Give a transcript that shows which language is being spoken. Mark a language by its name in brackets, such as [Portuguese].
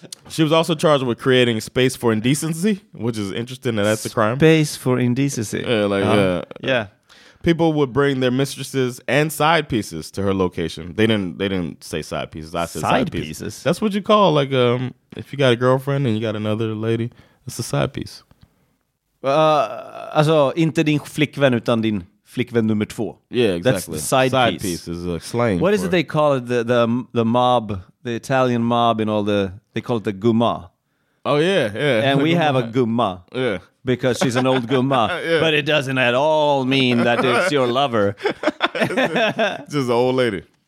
[English] She was also charged with creating space for indecency, which is interesting that that's a crime. Space for indecency. Yeah, people would bring their mistresses and side pieces to her location. They didn't say side pieces. I said side pieces. That's what you call like if you got a girlfriend and you got another lady, it's a side piece. [Swedish] Alltså inte din flickvän utan din flickvän nummer två. [English] Yeah, exactly. That's the side piece is a slang. What is it they call it? The mob, the Italian mob and all the, they call it the gumma. Oh, yeah. And we have a gumma. Yeah. Because she's an old gumma. Yeah. But it doesn't at all mean that it's your lover. Just an old lady.